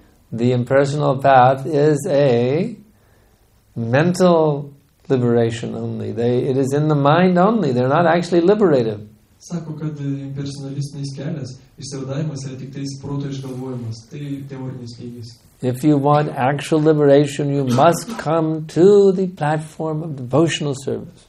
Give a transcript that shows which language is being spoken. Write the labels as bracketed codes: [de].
[en] The impersonal path is a mental liberation only. It is in the mind only. They're not actually liberated. [lt] Sako, kad impersonalistinis kelias, išsivadavimas yra tik tais proto išgalvojimas. Tai teorinis lygis. [en] If you want actual liberation, you must come to the platform of devotional service.